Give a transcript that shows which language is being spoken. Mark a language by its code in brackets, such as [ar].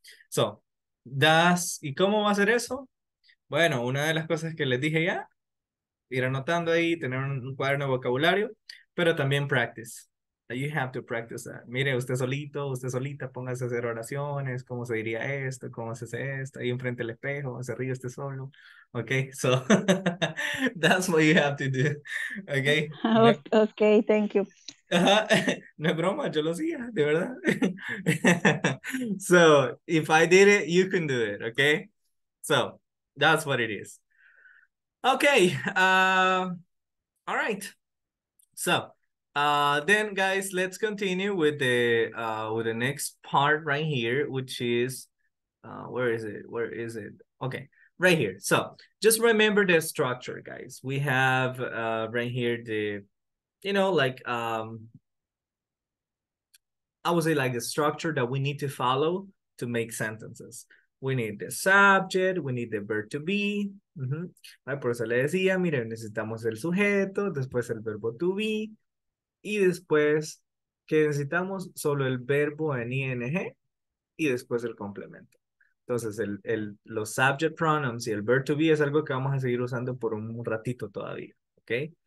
[es] So, das, ¿y cómo va a ser eso? Bueno, una de las cosas que les dije ya, ir anotando ahí, tener un cuaderno de vocabulario, pero también practice. [en] You have to practice that. [es] Mire, usted solito, usted solita, póngase a hacer oraciones, cómo se diría esto, cómo se hace esto, ahí enfrente del espejo, se ríe usted solo. [en] Okay, so that's what you have to do. Okay. Okay, thank you. [es] No es broma, yo lo hacía, de verdad. [en] So, if I did it, you can do it, okay? So, that's what it is. Okay, all right. So, then guys, let's continue with the next part right here, which is, where is it? Okay, right here. So just remember the structure, guys. We have right here the, you know, like, I would say like the structure that we need to follow to make sentences. We need the subject, we need the verb to be. [es] Right, por eso le decía, mire, necesitamos el sujeto, después el verbo to be. Y después, que necesitamos solo el verbo en ing y después el complemento. Entonces, los subject pronouns y el verb to be es algo que vamos a seguir usando por un ratito todavía, ¿ok?